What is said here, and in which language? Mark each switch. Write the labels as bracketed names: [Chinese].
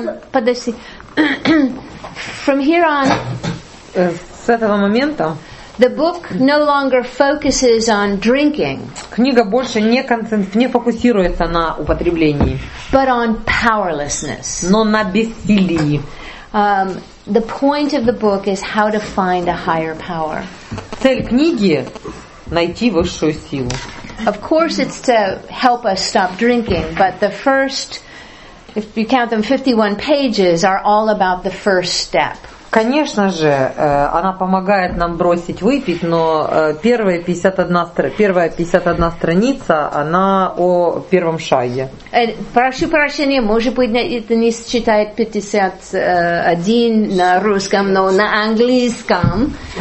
[English] Подожди. From here on, [Russian] с этого момента, [English] the book no longer focuses on drinking. [Russian] Книга больше не фокусируется на употреблении. [English] But on powerlessness. [Russian] Но на бессилии. [English] The point of the book is how to find a higher power. [Russian] Цель книги — найти высшую силу. [English] Of course, it's to help us stop drinking, but the first, if you count them, 51 pages are all about the first step. [Russian] Конечно же, она помогает нам бросить выпить, но первая 51 страница, она о первом шаге. Прошу прощения, может быть, это не считает 51 на русском, но на английском.